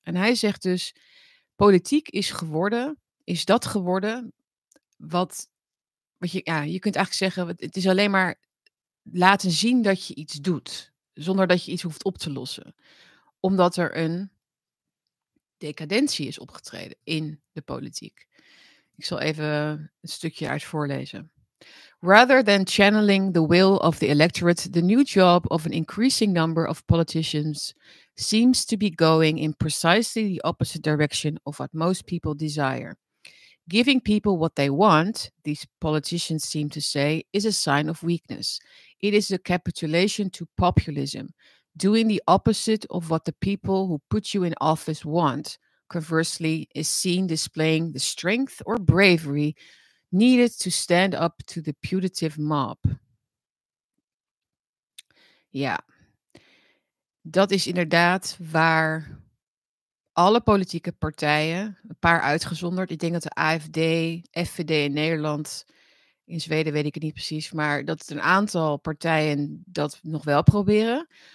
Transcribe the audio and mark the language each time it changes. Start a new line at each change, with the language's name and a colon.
Dutch: En hij zegt dus, politiek is dat geworden wat je kunt eigenlijk zeggen, het is alleen maar laten zien dat je iets doet, zonder dat je iets hoeft op te lossen. Omdat er een decadentie is opgetreden in de politiek. Ik zal even een stukje uit voorlezen.
English: Rather than channeling the will of the electorate, the new job of an increasing number of politicians seems to be going in precisely the opposite direction of what most people desire. Giving people what they want, these politicians seem to say, is a sign of weakness. It is a capitulation to populism, doing the opposite of what the people who put you in office want. Conversely, is seen displaying the strength or bravery needed to stand up to the putative mob.
Dutch: Ja, dat is inderdaad waar alle politieke partijen, een paar uitgezonderd. Ik denk dat de AfD, FVD in Nederland, in Zweden weet ik het niet precies, maar dat een aantal partijen dat nog wel proberen.